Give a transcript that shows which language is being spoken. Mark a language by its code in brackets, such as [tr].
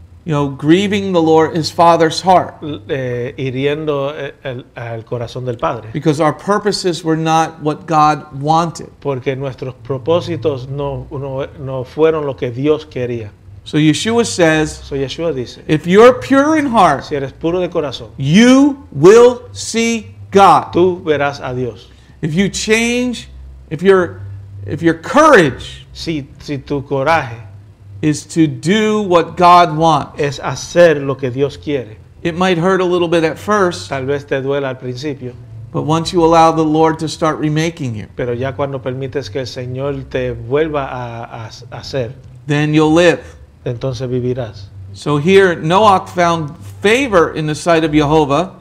[en] You know, grieving the Lord, his Father's heart. [es] Hiriendo el corazón del Padre. [en] Because our purposes were not what God wanted. [es] Porque nuestros propósitos no fueron lo que Dios quería. [en] So Yeshua says, so [es] Yeshua dice, [en] if you're pure in heart, [es] si eres puro de corazón, [en] you will see God. [es] Tú verás a Dios. [en] If you change, if your courage, [es] si tu coraje, [en] is to do what God wants. [es] Es hacer lo que Dios quiere. [en] It might hurt a little bit at first. [es] Tal vez te duela al principio. [en] But once you allow the Lord to start remaking you. [es] Pero ya cuando permites que el Señor te vuelva a hacer. [en] Then you'll live. [es] Entonces vivirás. [en] So here, Noach found favor in the sight of Jehovah.